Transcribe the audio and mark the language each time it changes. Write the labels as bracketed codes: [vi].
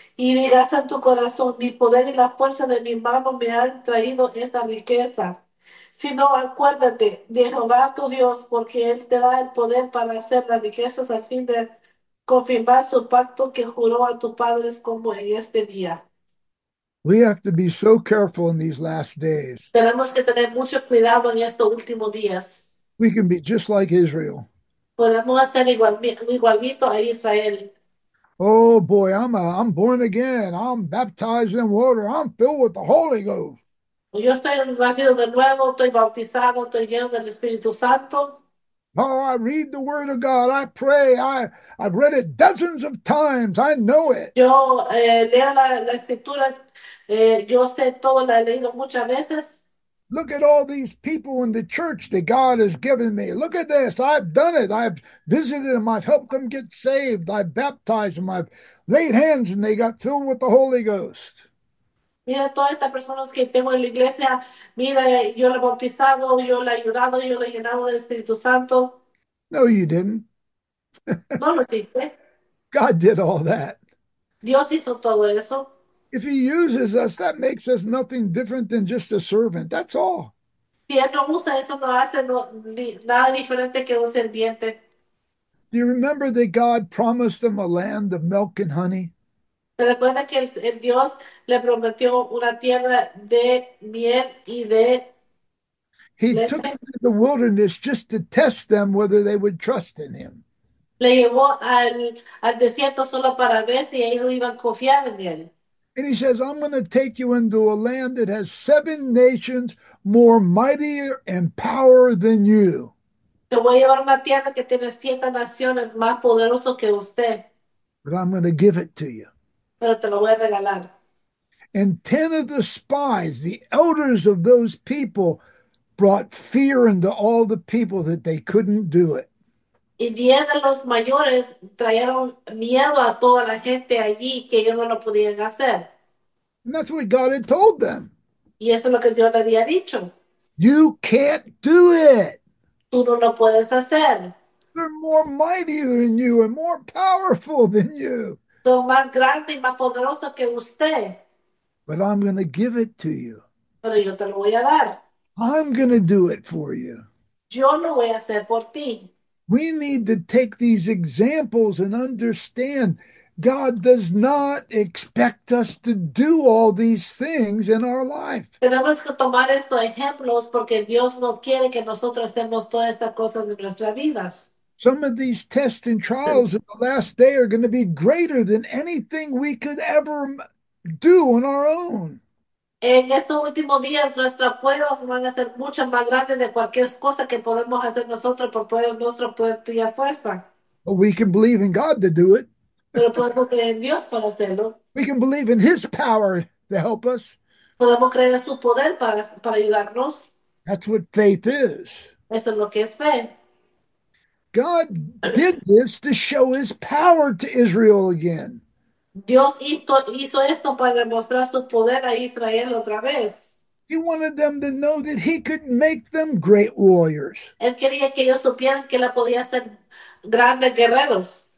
[es] Y digas en tu corazón, mi poder y la fuerza de mi mano me han traído esta riqueza. Sino acuérdate de Jehová tu Dios, porque Él te da el poder para hacer las riquezas al fin de confirmar su pacto que juró a tus padres como en este día. [en] We have to be so careful in these last days. [es] Tenemos que tener mucho cuidado en estos últimos días. [en] We can be just like Israel. [es] Podemos ser igualito a Israel. [en] Oh boy, I'm born again. I'm baptized in water. I'm filled with the Holy Ghost. [es] Yo estoy nacido de nuevo, estoy bautizado, estoy lleno del Espíritu Santo. [en] Oh, I read the Word of God. I pray. I've read it dozens of times. I know it. [es] Yo leo las escrituras, yo sé todo, la he leído muchas veces. [en] Look at all these people in the church that God has given me. Look at this. I've done it. I've visited them. I've helped them get saved. I've baptized them. I've laid hands and they got filled with the Holy Ghost. [es] Mira todas estas personas que tengo en la iglesia, mira, yo la he bautizado, yo la he ayudado, yo la he llenado del Espíritu Santo. [en] No, you didn't. [es] No lo hiciste. [en] God did all that. [es] Dios hizo todo eso. [en] If he uses us, that makes us nothing different than just a servant. That's all. [es] Si él no usa eso, no hace nada diferente que un sirviente. [en] Do you remember that God promised them a land of milk and honey? [es] ¿Se recuerda que el Dios le prometió una tierra de miel y de [en] He took [es] leche? [en] them to the wilderness just to test them whether they would trust in him. [es] Le llevó al desierto solo para ver si ellos iban a confiar en él. [en] And he says, I'm going to take you into a land that has seven nations more mightier and power than you. [es] Te voy a llevar a una tierra que tiene 7 naciones más poderoso que usted. [en] But I'm going to give it to you. [es] Pero te lo voy a regalar. [en] And 10 of the spies, the elders of those people, brought fear into all the people that they couldn't do it. [es] Y 10 de los mayores trajeron miedo a toda la gente allí que ellos no lo podían hacer. [en] And that's what God had told them. [es] Y eso es lo que Dios le había dicho. [en] You can't do it. [es] Tú no lo puedes hacer. [en] They're more mighty than you and more powerful than you. [es] Son más grandes y más poderosos que usted. [en] But I'm going to give it to you. [es] Pero yo te lo voy a dar. [en] I'm going to do it for you. [es] Yo lo voy a hacer por ti. [en] We need to take these examples and understand God does not expect us to do all these things in our life. [es] Tenemos que tomar estos ejemplos porque Dios no quiere que nosotros hacemos todas estas cosas de nuestras vidas. [en] Some of these tests and trials in the last day are going to be greater than anything we could ever do on our own. [es] En estos últimos días, nuestras pruebas van a ser mucho más grandes de cualquier cosa que podemos hacer nosotros por poder nuestro poder y fuerza. [en] But we can believe in God to do it. [es] Pero podemos creer en Dios para hacerlo. [en] We can believe in His power to help us. [es] Podemos creer en su poder para ayudarnos. [en] That's what faith is. [es] Eso es lo que es fe. [en] God did this to show His power to Israel again. [es] Dios hizo esto para demostrar su poder a Israel otra vez. [en] He wanted them to know that He could make them great warriors. [es] Él quería que ellos supieran que él podía ser grandes guerreros.